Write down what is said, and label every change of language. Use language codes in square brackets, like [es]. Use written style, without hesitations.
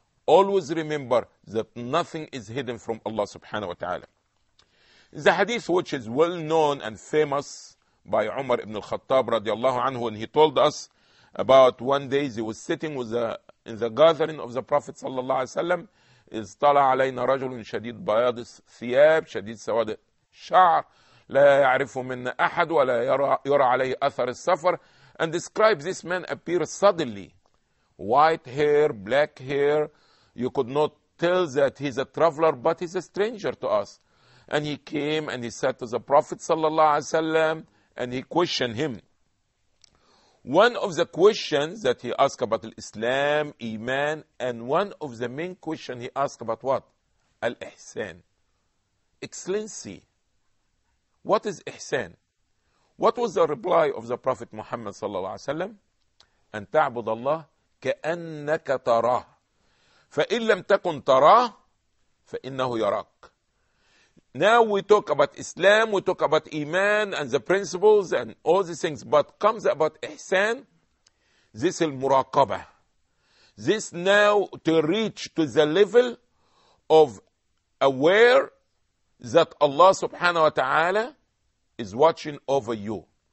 [en] Always remember that nothing is hidden from Allah subhanahu wa ta'ala. The hadith which is well known and famous by Umar ibn al-Khattab radiallahu anhu, and he told us about one day he was sitting with in the gathering of the Prophet sallallahu alayhi wa sallam. [ar] اصطلع علينا رجل شديد بياض الثياب شديد سواد الشعر لا يعرف منا احد ولا يرى عليه اثر السفر. [en] And describe this man appear suddenly, white hair, black hair. You could not tell that he's a traveler, but he's a stranger to us. And he came and he said to the Prophet sallallahu alaihi wasallam, and he questioned him. One of the questions that he asked about Islam, Iman, and one of the main questions he asked about what? Al-Ihsan. Excellency. What is Ihsan? What was the reply of the Prophet Muhammad sallallahu alayhi wa sallam? [ar] أن تعبد الله كأنك تراه. فإن لم تكن تراه فإنه يراك. [en] Now we talk about Islam, we talk about Iman and the principles and all these things, but comes about Ihsan, this is al-muraqabah. This now to reach to the level of aware that Allah subhanahu wa ta'ala is watching over you.